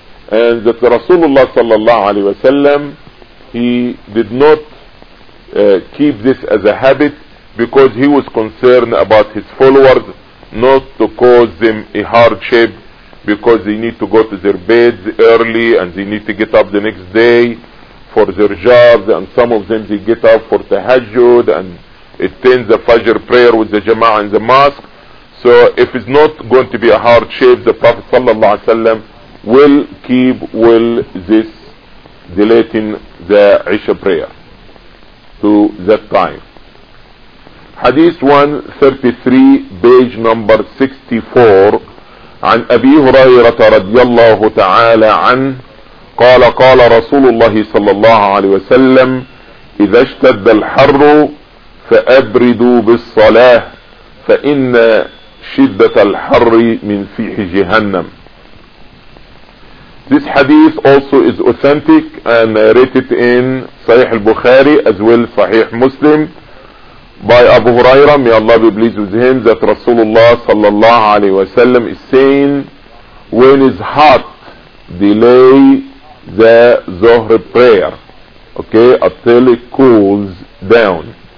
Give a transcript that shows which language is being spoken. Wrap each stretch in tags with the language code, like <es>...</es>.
<en>And that Rasulullah sallallahu alaihi wasallam, he did not keep this as a habit because he was concerned about his followers, not to cause them a hardship because they need to go to their beds early and they need to get up the next day for their jobs, and some of them they get up for tahajjud and attend the Fajr prayer with the Jama'ah in the mosque. So if it's not going to be a hardship, the Prophet sallallahu alaihi wasallam will keep this delaying the Isha prayer to that time. Hadith 133, page number 64,</en> <ar>عن أبي هريرة رضي الله تعالى عنه قال قال رسول الله صلى الله عليه وسلم إذا اشتد الحر فأبردوا بالصلاة فإن شدة الحر من فيح جهنم.</ar> <en>This hadith also is authentic and narrated in Sahih al-Bukhari as well as Sahih Muslim by Abu Huraira, may Allah be pleased with him, that Rasulullah sallallahu alaihi wasallam is saying, when it's hot, delay the Zuhr prayer, okay, until it cools down.</en>